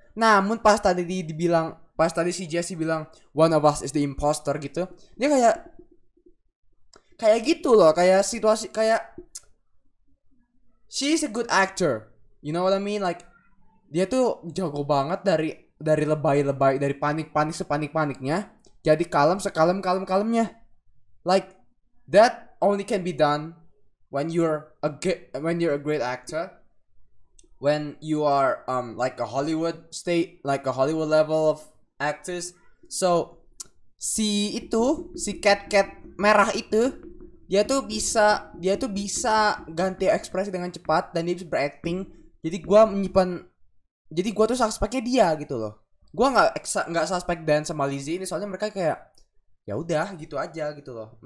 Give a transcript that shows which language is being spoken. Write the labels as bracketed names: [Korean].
[Indonesian] Namun pas tadi dibilang pas tadi si Jesse bilang [English] one of us is the impostor [Indonesian] gitu, dia kayak gitu loh, kayak situasi, kayak [English] she's a good actor, you know what I mean? [Indonesian] Like, dia tuh jago banget dari lebay-lebay, dari panik-panik sepanik-paniknya jadi kalem sekalem-kalem-kalemnya. [English] Like, that only can be done when you're a great actor. When you are like a Hollywood state, like a Hollywood level of actors. [Indonesian] So, si cat merah itu, dia tuh bisa ganti ekspresi dengan cepat dan dia bisa beracting. Jadi gua tuh suspeknya dia gitu loh. Gua enggak suspek Dan sama Lizzie ini, soalnya mereka kayak ya udah gitu aja gitu loh.